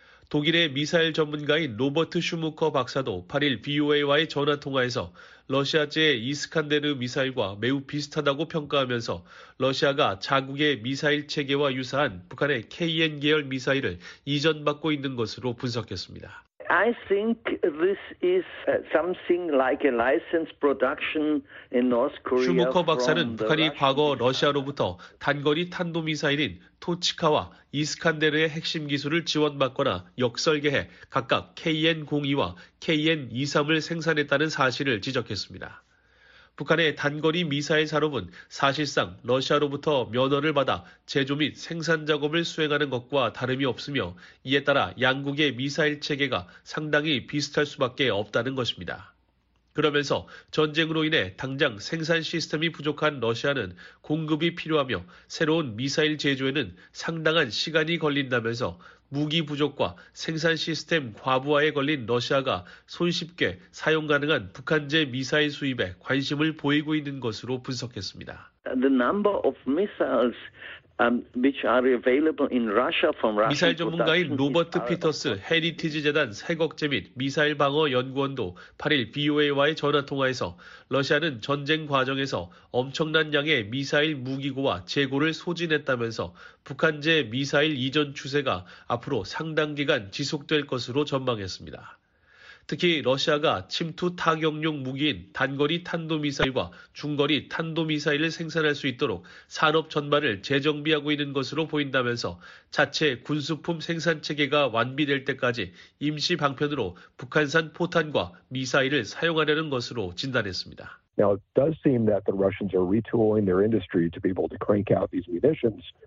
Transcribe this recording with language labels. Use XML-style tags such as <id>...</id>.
<ko>독일의 미사일 전문가인 로버트 슈무커 박사도 8일 VOA와의 전화통화에서 러시아제 이스칸데르 미사일과 매우 비슷하다고 평가하면서 러시아가 자국의 미사일 체계와 유사한 북한의 KN 계열 미사일을 이전받고 있는 것으로 분석했습니다.</ko> <en>I think this is something like a license production in North Korea.</en> <ko>슈무커 박사는 북한이 과거 러시아로부터 단거리 탄도미사일인 토치카와 이스칸데르의 핵심 기술을 지원받거나 역설계해 각각 KN-02와 KN-23을 생산했다는 사실을 지적했습니다. 북한의 단거리 미사일 산업은 사실상 러시아로부터 면허를 받아 제조 및 생산 작업을 수행하는 것과 다름이 없으며 이에 따라 양국의 미사일 체계가 상당히 비슷할 수밖에 없다는 것입니다. 그러면서 전쟁으로 인해 당장 생산 시스템이 부족한 러시아는 공급이 필요하며 새로운 미사일 제조에는 상당한 시간이 걸린다면서 무기 부족과 생산 시스템 과부하에 걸린 러시아가 손쉽게 사용 가능한 북한제 미사일 수입에 관심을 보이고 있는 것으로 분석했습니다.</ko> <en>The number of missiles which are available in Russia from Russia.</en> <ko>미사일 전문가인 로버트 피터스 헤리티지 재단 세곡제 및 미사일 방어 연구원도 8일 BOA와의 전화 통화에서 러시아는 전쟁 과정에서 엄청난 양의 미사일 무기고와 재고를 소진했다면서 북한제 미사일 이전 추세가 앞으로 상당 기간 지속될 것으로 전망했습니다. 특히 러시아가 침투 타격용 무기인 단거리 탄도미사일과 중거리 탄도미사일을 생산할 수 있도록 산업 전반을 재정비하고 있는 것으로 보인다면서 자체 군수품 생산 체계가 완비될 때까지 임시 방편으로 북한산 포탄과 미사일을 사용하려는 것으로 진단했습니다.</ko> <en>Now it does seem that the Russians are retooling their industry to be able to crank out these munitions.</en>